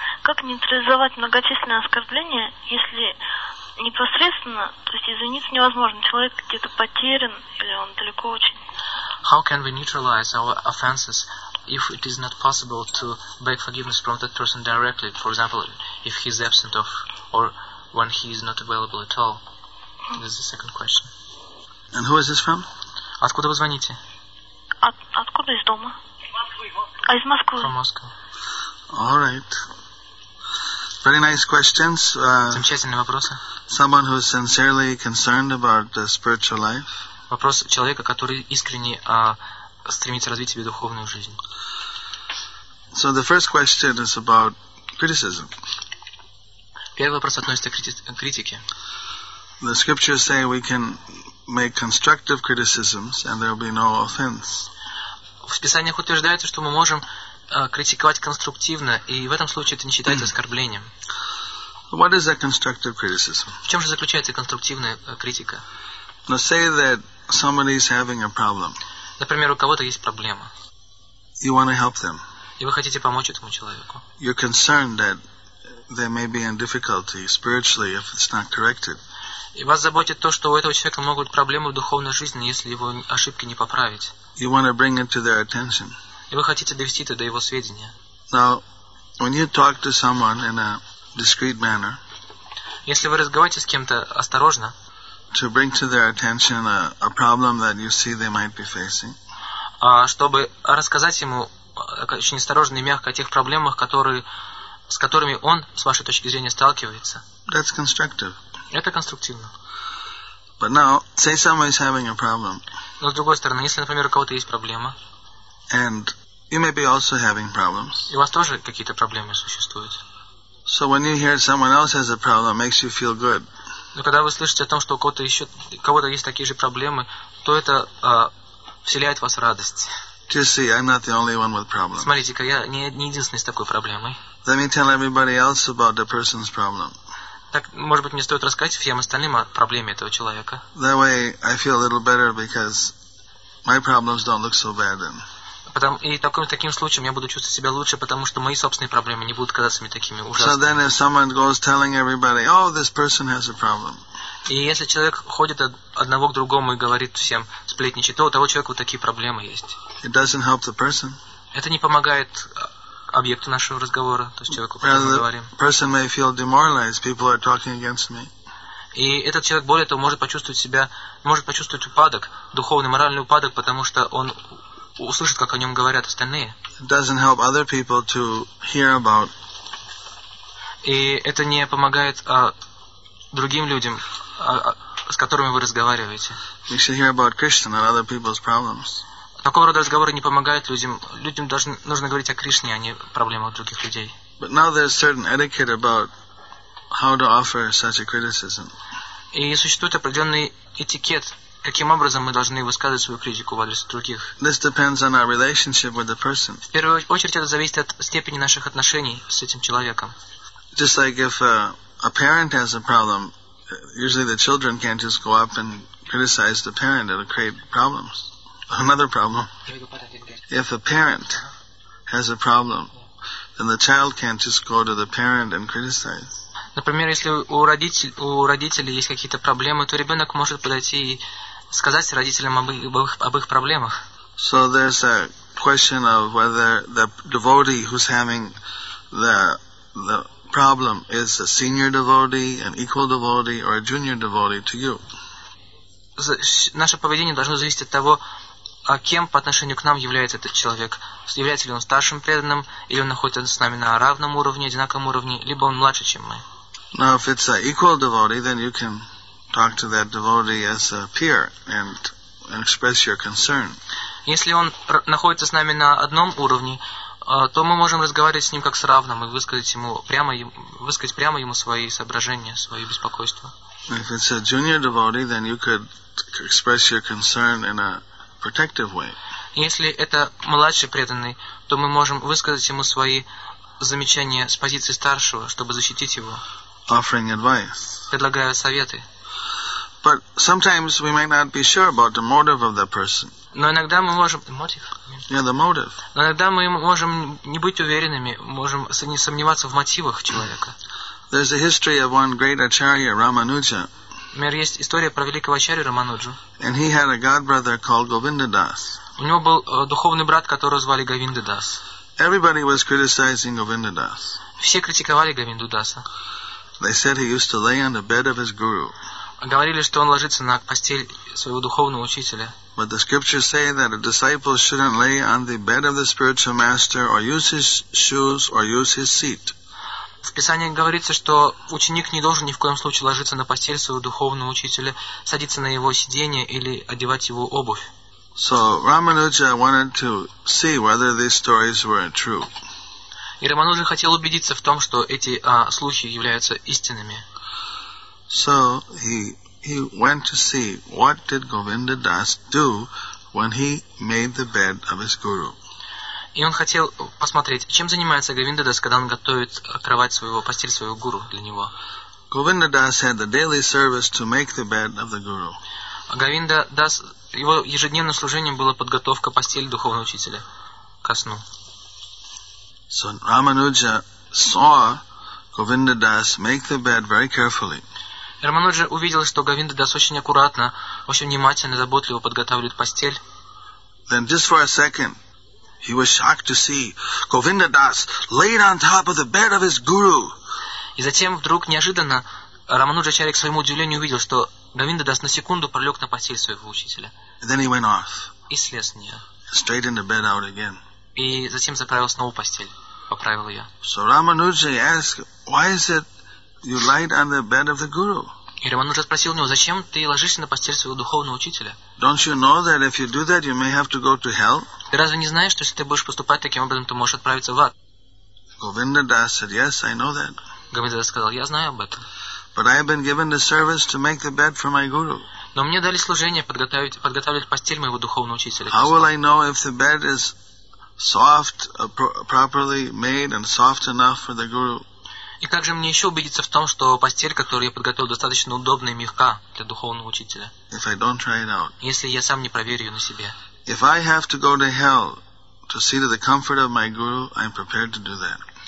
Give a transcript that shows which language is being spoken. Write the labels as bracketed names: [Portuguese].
[Russian] Как нейтрализовать многочисленные оскорбления, если непосредственно, то есть извиниться невозможно, человек где-то потерян или он далеко очень? [English] How can we neutralize our offenses if it is not possible to beg forgiveness from that person directly, for example, if he is absent of, or when he is not available at all? This is the second question. And who is this from? [Russian] Откуда вы звоните? Откуда из дома? А из Москвы? [English] From Moscow. All right. Very nice questions. [Russian] Замечательные вопросы. [English] Someone who is sincerely concerned about the spiritual life. [Russian] Вопрос человека, который искренне стремится развить себе духовную жизнь. [English] So the first question is about criticism. [Russian] Первый вопрос относится к критике. [English] The scriptures say we can make constructive criticisms and there will be no offense. [Russian] В Писаниях утверждается, что мы можем критиковать конструктивно, и в этом случае это не считается оскорблением. [English] What is that constructive criticism? [Russian] В чем же заключается конструктивная критика? [English] Now say that somebody is having a problem. [Russian] Например, у кого-то есть проблема. [English] You want to help them. [Russian] И вы хотите помочь этому человеку. [English] You're concerned that they may be in difficulty spiritually if it's not corrected. [Russian] И вас заботит то, что у этого человека могут быть проблемы в духовной жизни, если его ошибки не поправить. [English] You want to bring it to their attention. [Russian] И вы хотите довести это до его сведения. [English] Now, when you talk to someone in a discreet manner, [Russian] если вы разговариваете с кем-то осторожно, [English] to bring to their attention a problem that you see they might be facing, [Russian] чтобы рассказать ему очень осторожно и мягко о тех проблемах, с которыми он, с вашей точки зрения, сталкивается, [English] that's constructive. [Russian] Это конструктивно. [English] But now, say someone is having a problem. [Russian] Но с другой стороны, если, например, у кого-то есть проблема, [English] and you may be also having problems. [Russian] И у вас тоже какие-то проблемы существуют. [English] So when you hear someone else has a problem, it makes you feel good. [Russian] Но когда вы слышите о том, что у кого-то еще, у кого-то есть такие же проблемы, то это вселяет в вас радость. [English] You see, I'm not the only one with problems. [Russian] Смотрите-ка, я не единственный с такой проблемой. [English] Let me tell everybody else about the person's problem. [Russian] Так, может быть, мне стоит рассказать всем остальным о проблеме этого человека. [English] That way I feel a little better because my problems don't look so bad then. [Russian] И таким случаем я буду чувствовать себя лучше, потому что мои собственные проблемы не будут казаться мне такими ужасными. [English] So then if someone goes telling everybody, oh, this person has a problem. [Russian] И если человек ходит от одного к другому и говорит всем, сплетничает, то у того человека вот такие проблемы есть. [English] It doesn't help the person. [Russian] Это не помогает объекту нашего разговора, то есть человеку, о котором мы говорим. [English] The person may feel demoralized, people are talking against me. [Russian] И этот человек более того может почувствовать себя, может почувствовать упадок, духовный, моральный упадок, потому что он услышит, как о нем говорят остальные. [English] It doesn't help other people to hear about. [Russian] И это не помогает другим людям, с которыми вы разговариваете. [English] We should hear about Krishna and other people's problems. [Russian] Такого рода разговоры не помогают людям. Людям нужно говорить о Кришне, а не проблемах других людей. [English] But now there's certain etiquette about how to offer such a criticism. [Russian] И существует определенный этикет, каким образом мы должны высказывать свою критику в адрес других. [English] This depends on our relationship with the person. [Russian] В первую очередь это зависит от степени наших отношений с этим человеком. [English] Just like if a parent has a problem, usually the children can't just go up and criticize the parent, it'll create problems. Another problem. If a parent has a problem, then the child can't just go to the parent and criticize. [Russian] Например, если у родителей есть какие-то проблемы, то ребенок может подойти и сказать родителям об их проблемах. [English] So there's a question of whether the devotee who's having the problem is a senior devotee, an equal devotee, or a junior devotee to you. [Russian] Наше поведение должно зависеть от того, кем по отношению к нам является этот человек. Является ли он старшим преданным, или он находится с нами на равном уровне, одинаковом уровне, либо он младше, чем мы. [English] Now, if it's an equal devotee, then you can talk to that devotee as a peer and express your concern. [Russian] Если он находится с нами на одном уровне, то мы можем разговаривать с ним как с равным и высказать прямо ему свои соображения, свои беспокойства. [English] If it's a junior devotee, then you could express your concern in a protective way. [Russian] Если это младший преданный, то мы можем высказать ему свои замечания с позиции старшего, чтобы защитить его. [English] Offering advice. [Russian] Предлагая советы. [English] But sometimes we might not be sure about the motive of that person. [Russian] Но иногда мы можем. [English] Yeah, the motive. [Russian] Но иногда мы можем не быть уверенными, можем не сомневаться в мотивах человека. [English] There's a history of one great acharya, Ramanuja. [Russian] Например, есть история про великого ачарью Рамануджу. [English] And he had a god brother called Govindadas. [Russian] У него был духовный брат, которого звали Говиндадас. [English] Everybody was criticizing Govindadas. [Russian] Все критиковали Говиндадаса. [English] They said he used to lay on the bed of his guru. [Russian] Говорили, что он ложится на постель своего духовного учителя. [English] But the scriptures say that a disciple shouldn't lay on the bed of the spiritual master or use his shoes or use his seat. [Russian] В Писании говорится, что ученик не должен ни в коем случае ложиться на постель своего духовного учителя, садиться на его сиденье или одевать его обувь. [English] So Ramanuja wanted to see whether these stories were true. [Russian] И Рамануджа хотел убедиться в том, что эти слухи являются истинными. [English] So he went to see what did Govindadas do when he made the bed of his guru. [Russian] И он хотел посмотреть, чем занимается Говиндадас, когда он готовит кровать своего, постель своего гуру для него. [English] Govindadas had the daily service to make the bed of the guru. [Russian] Govindadas, его ежедневным служением было подготовка постели духовного учителя ко сну. [English] So Ramanuja saw Govindadas make the bed very carefully. [Russian] Рамануджа увидел, что Говиндадас очень аккуратно, очень внимательно, заботливо подготавливает постель. [English] Then just for a second, he was shocked to see Govindadas laid on top of the bed of his guru. [Russian] И затем вдруг неожиданно Рамануджа Чарик к своему удивлению увидел, что Говиндадас на секунду пролег на постель своего учителя. [English] And then he went off. [Russian] И слез с нее. [English] Straight in the bed out again. [Russian] И затем заправил снова постель, поправил ее. [English] So Ramanuja asked, why is it you lie on the bed of the guru? [Russian] И Рамануджа спросил у него, зачем ты ложишься на постель своего духовного учителя? [English] Don't you know that if you do that, you may have to go to hell? [Russian] Ты разве не знаешь, что если ты будешь поступать таким образом, ты можешь отправиться в ад? [English] Govindadas said, yes, I know that. [Russian] Говиндадас сказал, я знаю об этом. [English] But I have been given the service to make the bed for my guru. [Russian] Но мне дали служение подготавливать постель моего духовного учителя. [English] How will I know if the bed is soft, properly made and soft enough for the guru? [Russian] И как же мне еще убедиться в том, что постель, которую я подготовил, достаточно удобна и мягка для духовного учителя? [English] If I don't try it out. [Russian] Если я сам не проверю ее на себе. [English] If I have to go to hell to see to the comfort of my guru, I'm prepared to do that.